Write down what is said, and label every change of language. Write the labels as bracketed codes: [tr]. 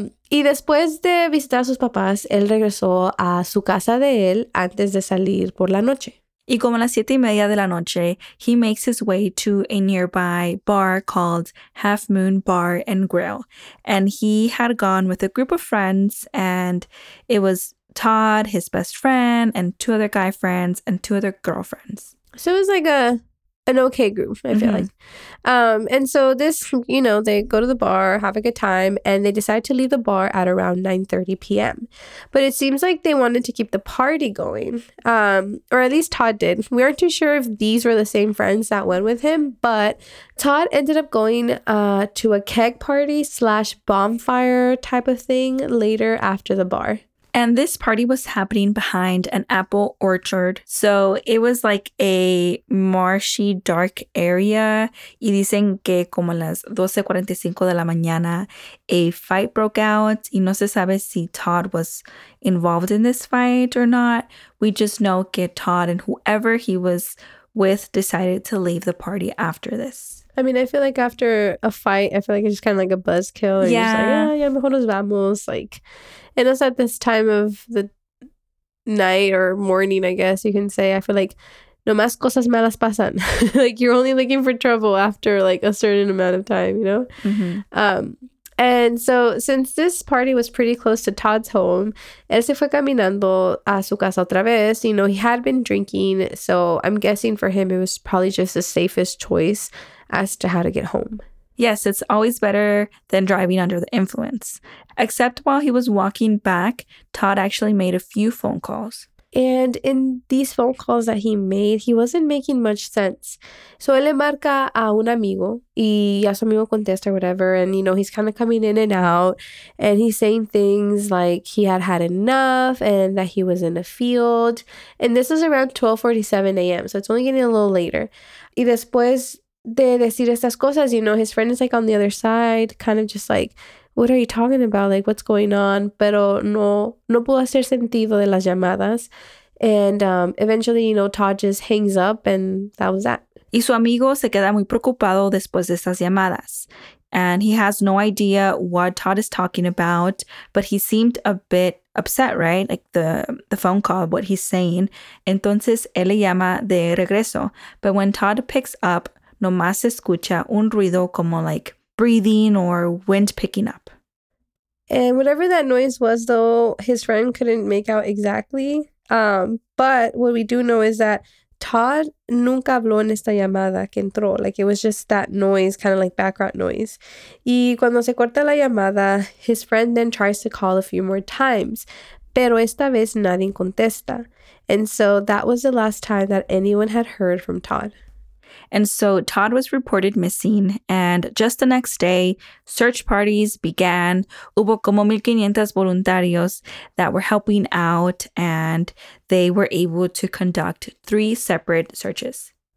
[es] Y después de visitar a sus papás, él regresó a su casa de él antes de salir por la noche. Y como a las 7:30 de la noche, [en] he makes his way to a nearby bar called Half Moon Bar and Grill. And he had gone with a group of friends, and it was Todd, his best friend, and two other guy friends, and two other girlfriends. So it was like an okay group, I feel mm-hmm. like. And so this, you know, they go to the bar, have a good time, and they decide to leave the bar at around 9:30 p.m. But it seems like they wanted to keep the party going, or at least Todd did. We aren't too sure if these were the same friends that went with him, but Todd ended up going to a keg party / bonfire type of thing later after the bar. And this party was happening behind an apple orchard. So it was like a marshy, dark area. [es] Y dicen que como las 12:45 de la mañana, [en] a fight broke out. [es] Y no se sabe si [en] Todd was involved in this fight or not. We just know que Todd and whoever he was with decided to leave the party after this. I mean, I feel like after a fight, I feel like it's just kind of like a buzzkill. Yeah. You're just like, yeah, [es] mejor nos vamos. [en] Like, and also at this time of the night or morning, I guess you can say, I feel like, [es] no más cosas malas pasan. [en] Like, you're only looking for trouble after, like, a certain amount of time, you know? Mm-hmm. And so, since this party was pretty close to Todd's home, [es] él se fue caminando a su casa otra vez. [en] You know, he had been drinking, so I'm guessing for him, it was probably just the safest choice as to how to get home. Yes, it's always better than driving under the influence. Except while he was walking back, Todd actually made a few phone calls. And in these phone calls that he made, he wasn't making much sense. So, [es] él le marca a un amigo, y ya su amigo contesta, [en] whatever, and, you know, he's kind of coming in and out, and he's saying things like he had had enough, and that he was in a field. And this is around 12:47 a.m., so it's only getting a little later. [es] Y después de decir estas cosas, [en] you know, his friend is like on the other side, kind of just like, what are you talking about? Like, what's going on? [es] Pero no pudo hacer sentido de las llamadas. [en] And eventually, you know, Todd just hangs up and that was that. [es] Y su amigo se queda muy preocupado después de estas llamadas. [en] And he has no idea what Todd is talking about, but he seemed a bit upset, right? Like the phone call, what he's saying. [es] Entonces, él le llama de regreso. [en] But when Todd picks up, [es] nomás escucha un ruido como [en] like breathing or wind picking up. And whatever that noise was, though, his friend couldn't make out exactly. But what we do know is that Todd [es] nunca habló en esta llamada que entró. [en] Like, it was just that noise, kind of like background noise. [es] Y cuando se corta la llamada, [en] his friend then tries to call a few more times. [es] Pero esta vez nadie contesta. [en] And so that was the last time that anyone had heard from Todd. And so Todd was reported missing, and just the next day, search parties began. [es] Hubo como 1,500 voluntarios [en] that were helping out, and they were able to conduct 3 separate searches.